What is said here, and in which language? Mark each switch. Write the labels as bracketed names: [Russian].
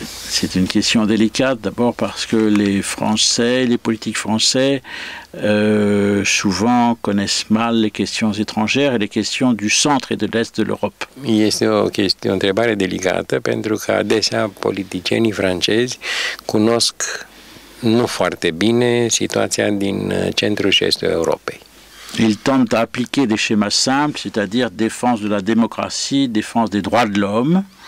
[French] C'est une question délicate, d'abord parce que les Français, les politiques français, souvent connaissent mal les questions étrangères et les questions du centre et de l'est de l'Europe. [Romanian] Este o chestie, o întrebare delicată, pentru că adesea politicienii francezi cunosc nu foarte bine situația din centrul și estul Europei. [French] Ils tentent d'appliquer des schémas simples, c'est-à-dire défense de la démocratie, défense des droits de l'homme.